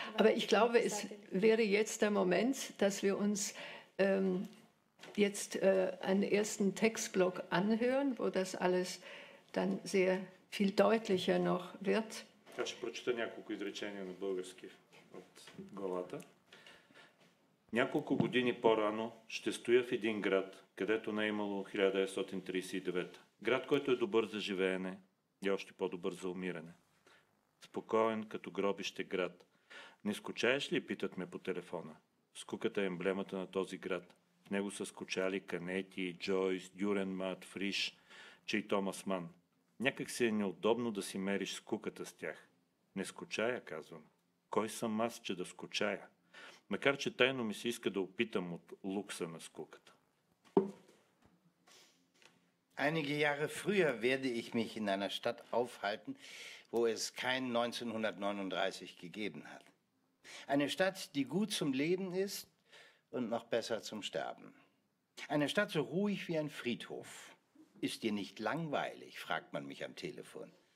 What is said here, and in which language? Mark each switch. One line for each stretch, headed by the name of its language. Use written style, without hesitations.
German: Aber ich glaube, es wäre jetzt der Moment, dass wir uns jetzt einen ersten Textblock anhören, wo das alles dann sehr viel deutlicher noch wird. Ich werde ein paar Worte auf Bulgarisch lesen. Von der Голата.
Bulgarian: Няколко години по-рано ще стоя в един град, където не е имало 1939-та. Град, който е добър за живеене и още по-добър за умиране. Спокоен като гробище град. Не скучаеш ли, питат ме по телефона. Скуката е емблемата на този град. В него са скучали Канети, Джойс, Дюренмат, Фриш, че и Томас Ман. Някак си е неудобно да си мериш скуката с тях. Не скучая, казвам. Кой съм аз, че да скучая? Макар че тайно ми се иска да опитам от лукса на скуката.
German: Einige Jahre früher werde ich mich in einer Stadt aufhalten, wo es kein 1939 gegeben hat. Eine Stadt, die gut zum Leben ist und noch besser zum Sterben. Eine Stadt so ruhig wie ein Friedhof. Ist dir nicht langweilig, fragt man mich am Telefon.